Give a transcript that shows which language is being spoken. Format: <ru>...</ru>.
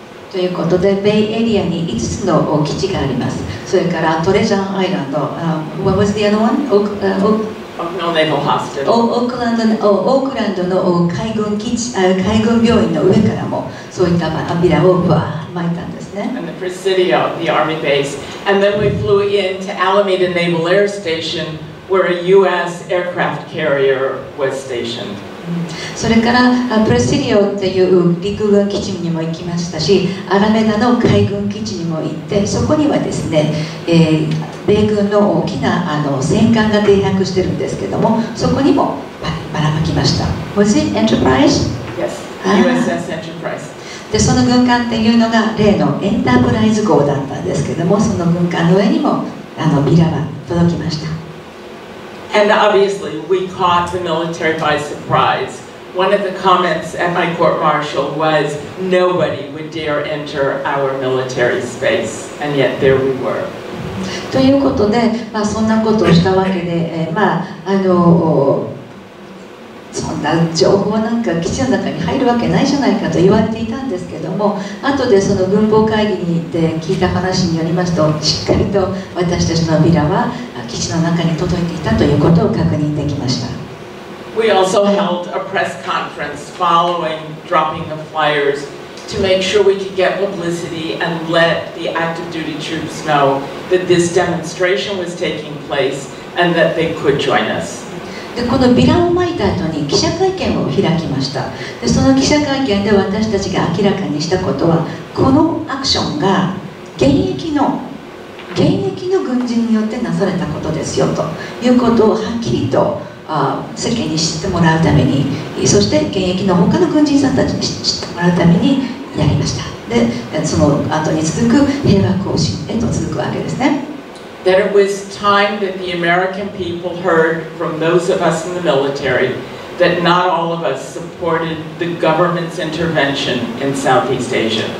<ja>ということで、ベイエリアに5つの基地があります。それからトレジャーアイランド、</ja> <en>what was the other one? Okno Naval Hospital.</en> <ja>オークランドの海軍基地、海軍病院の上からも、そういったビラをぶわー巻いたんですね。</ja> <en>And the Presidio, the army base. And then we flew into Alameda Naval Air Station, where a U.S. aircraft carrier was stationed.</en> <ja>それから、Presidio っていう陸軍基地にも行きましたし、アラメダの海軍基地にも行って、そこにはですね、米軍の大きな戦艦が停泊してるんですけども、そこにもばらまきました。</ja> <en>Was it Enterprise? Yes, USS Enterprise.</en> <ja>でその軍艦っていうのが例のエンタープライズ号だったんですけどもその軍艦の上にもビラは届きました。</ja> <en>And obviously we caught the military by surprise. One of the comments at my court-martial was nobody would dare enter our military space and yet there we were.</en> <ja>ということで、まあ、そんなことをしたわけで、まあそんな情報なんか基地の中に入るわけないじゃないかと言われていたんですけども後でその軍法会議に行って聞いた話によりますとしっかりと私たちのビラは基地の中に届いていたということを確認できました。</ja> <en>We also held a press conference following dropping the flyers to make sure we could get publicity and let the active duty troops know that this demonstration was taking place and that they could join us.</en> <ja>でこのビラを撒いた後に記者会見を開きました。でその記者会見で私たちが明らかにしたことはこのアクションが現役の軍人によってなされたことですよということをはっきりと世間に知ってもらうためにそして現役の他の軍人さんたちに知ってもらうためにやりました。でその後に続く平和行進へと続くわけですね。</ja> <en>That it was time that the American people heard from those of us in the military that not all of us supported the government's intervention in Southeast Asia.</en>